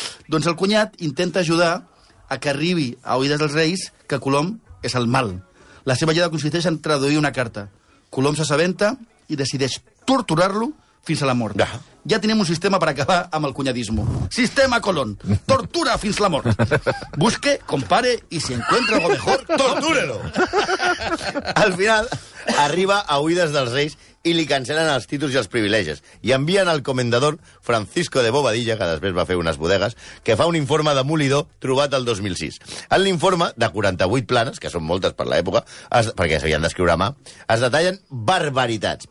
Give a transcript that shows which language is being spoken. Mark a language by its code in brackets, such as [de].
[ca] Doncs el cunyat intenta ajudar a que arribi a oïdes dels reis que Colom és el mal. La seva ajuda consisteix en traduir una carta. Colom s'assabenta i decideix torturar-lo fins a la mort. Ja. Ja tenim un sistema per acabar amb el cunyadismo. Sistema Colón. Tortura fins la mort. [es] Busque, compare, i si encuentra algo mejor, tortúrelo. [ca] Al final, arriba a oïdes dels reis i li cancelen els títols i els privilegis. I envien al comendador Francisco de Bobadilla, que després va fer unes bodegues, que fa un informe demolidor trobat el 2006. En l'informe, de 48 planes, que són moltes per l'època, perquè s'havien d'escriure a mà, es detallen barbaritats.